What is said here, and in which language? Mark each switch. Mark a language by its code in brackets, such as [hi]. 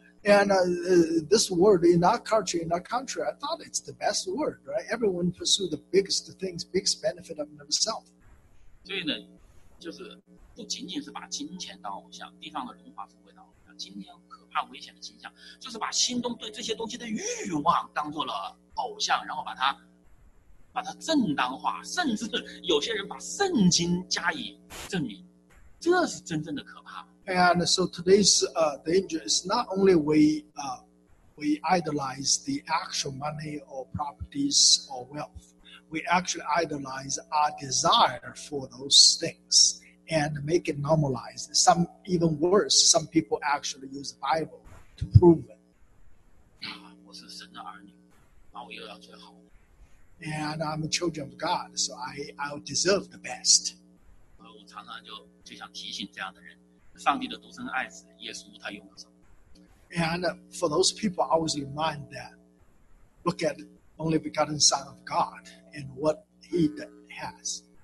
[en] And this word in our country, in our country, I thought it's the best word, right? Everyone pursue the biggest things, biggest benefit of themselves. [zh] 所以呢，就是不仅仅是把金钱当偶像，地上的荣华富贵当偶像，今天可怕危险的倾向，就是把心中对这些东西的欲望当做了偶像，然后把它正当化，甚至有些人把圣经加以证明，这是真正的可怕。 [en] And so today's danger is not only we idolize the actual money or properties or wealth. We actually idolize our desire for those things and make it normalized. Some, even worse, some people actually use the Bible to prove it. [zh] 我是神的儿女，那我又要最好。 [en] And I'm a children of God, so I'll deserve the best. [zh] 我常常就想提醒这样的人。上帝的独生爱子耶稣他用了什么 [en] And for those people I always remind that look at only begotten son of God and what he has